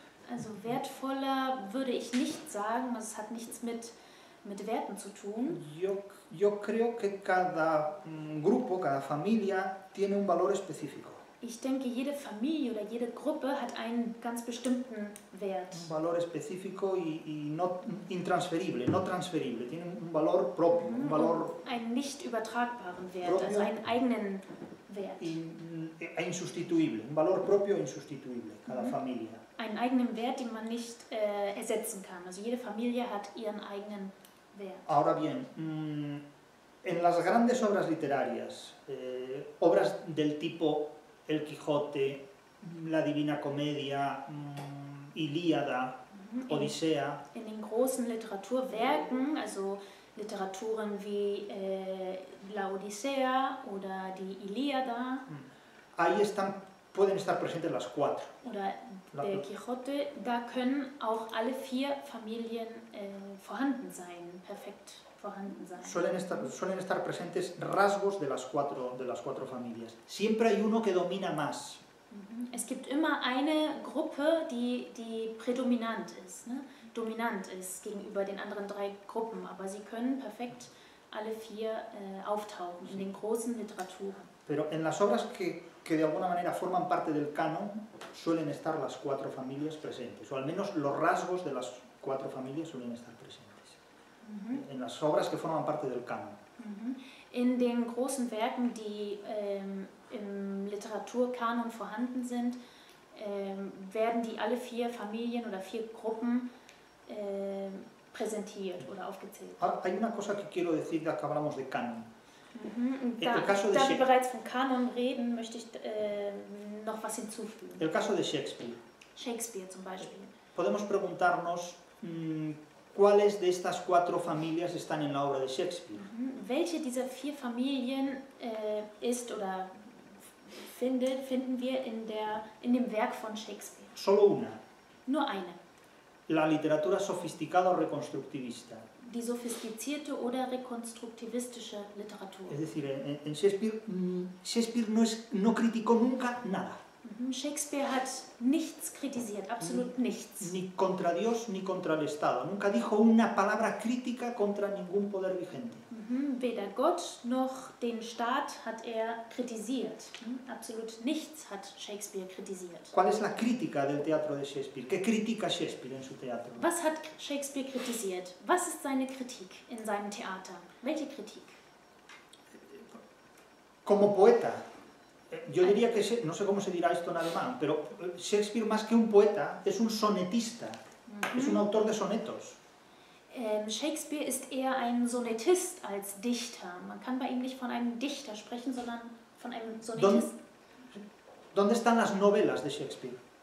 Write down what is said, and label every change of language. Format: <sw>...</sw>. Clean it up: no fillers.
<de>Also wertvoller würde ich nicht sagen, es hat nichts mit Werten zu tun.</de> <es>Yo creo que cada grupo, cada familia tiene un valor específico.</es> <de>Ich denke, jede Familie oder jede Gruppe hat einen ganz bestimmten Wert.</de> <es>Un valor específico y no intransferible, no transferible. Tiene un valor propio, un valor.</es> <de>Einen nicht übertragbaren Wert, also einen eigenen Wert.</de> <es>E insustituible, un valor propio e insustituible, cada familia.</es> <de>Einen eigenen Wert, den man nicht ersetzen kann. Also jede Familie hat ihren eigenen Wert.</de> <es>Ahora bien. En las grandes obras literarias, obras del tipo El Quijote, La Divina Comedia, Ilíada, Odisea.</es> <de>En den großen Literaturwerken, also Literaturen wie La Odisea oder die Ilíada.</de> <es>Ahí están, pueden estar presentes las 4.</es> <de>Oder der Quijote, da können auch alle 4 Familien vorhanden sein, perfekt.</de> <es>Suelen estar presentes rasgos de las cuatro familias. Siempre hay uno que domina más.</es> <de>Es gibt immer eine Gruppe, die predominant ist, ne? Dominant ist gegenüber den anderen 3 Gruppen, aber sie können perfekt alle 4 auftauchen in den großen Literaturen.</de> <es>Pero en las obras que de alguna manera forman parte del canon, suelen estar las 4 familias presentes, o al menos los rasgos de las 4 familias suelen estar presentes. En las obras que forman parte del canon.</es> <de>In den großen Werken, die im Literaturkanon vorhanden sind, werden die alle 4 Familien oder 4 Gruppen präsentiert oder aufgezählt.</de> <es>Hay una cosa que quiero decir, ya que hablamos de canon.</es> <de>Da wir bereits vom Kanon reden, möchte ich noch was hinzufügen.</de> <es>El caso de Shakespeare.</es> <de>Shakespeare zum Beispiel.</de> <es>Podemos preguntarnos, ¿cuáles de estas 4 familias están en la obra de Shakespeare?</es> <de>Welche dieser 4 Familien ist oder finden wir in dem Werk von Shakespeare?</de> <es>Solo una.</es> <de>Nur eine.</de> <es>La literatura sofisticada o reconstructivista.</es> <de>Die sophistizierte oder rekonstruktivistische Literatur.</de> <es>Es decir, en Shakespeare no criticó nunca nada.</es> <de>Shakespeare hat nichts kritisiert, absolut nichts.</de> <es>Ni contra Dios ni contra el Estado. Nunca dijo una palabra crítica contra ningún poder vigente.</es> <de>Weder Gott noch den Staat hat er kritisiert. Absolut nichts hat Shakespeare kritisiert.</de> <es>¿Cuál es la crítica del teatro de Shakespeare? ¿Qué critica Shakespeare en su teatro?</es> <de>Was hat Shakespeare kritisiert? Was ist seine Kritik in seinem Theater? Welche Kritik?</de> <es>Como poeta. Yo diría que, no sé cómo se dirá esto en alemán, pero Shakespeare más que un poeta es un sonetista, es un autor de sonetos.</es> <de>Shakespeare ist eher ein Sonettist als Dichter. Man kann bei ihm nicht von einem Dichter sprechen, sondern von einem Sonettist.</de> <es>¿Dónde están las novelas de Shakespeare?</es>